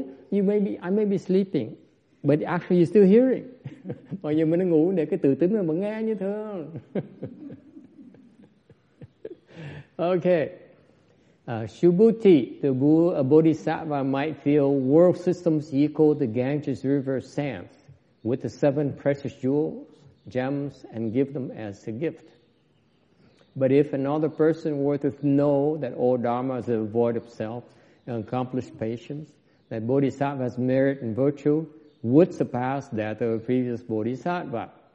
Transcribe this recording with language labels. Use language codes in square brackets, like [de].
[en] I may be sleeping, but actually you're still hearing. [vi] Mọi người mình ngủ để cái tự tính mà nghe như thường. [en] Okay. Shubhuti, the Bodhisattva might feel world systems equal to Ganges River sands with the seven precious jewels, gems, and give them as a gift. But if another person were to know that all dharma is devoid of self and accomplished patience, that Bodhisattva's merit and virtue would surpass that of a previous Bodhisattva.